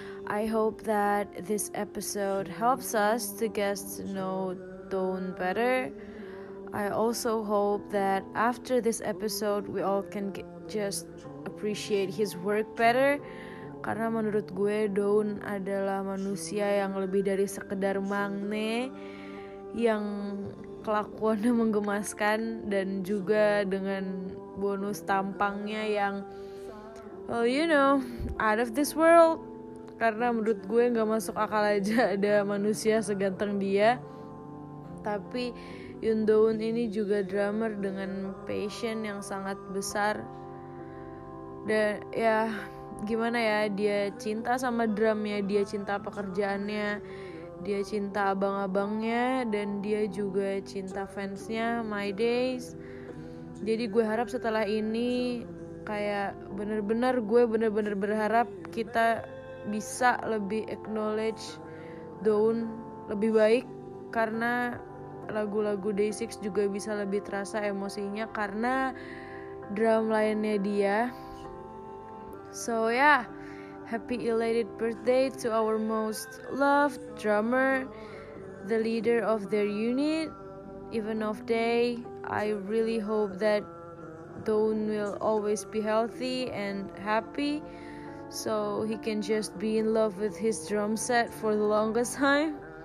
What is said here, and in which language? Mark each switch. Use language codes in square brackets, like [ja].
[en] I hope that this episode helps us to get to know Dowoon better. I also hope that after this episode we all can just appreciate his work better. [id] Karena menurut gue Dowoon adalah manusia yang lebih dari sekedar mangne, yang kelakuannya menggemaskan dan juga dengan bonus tampangnya yang [en] well, you know, out of this world. [id] Karena menurut gue gak masuk akal aja ada manusia seganteng dia. Tapi Yoon Dowoon ini juga drummer dengan passion yang sangat besar. Dan ya, gimana ya, dia cinta sama drumnya, dia cinta pekerjaannya, dia cinta abang-abangnya, dan dia juga cinta fansnya, My Days. Jadi gue harap setelah ini kayak benar-benar gue benar-benar berharap kita bisa lebih acknowledge Dowoon lebih baik, karena lagu-lagu Day 6 juga bisa lebih terasa emosinya karena drum line-nya dia. [en] So yeah, happy elated birthday to our most loved drummer, the leader of their unit, even of Day. I really hope that Dowoon will always be healthy and happy so he can just be in love with his drum set for the longest time.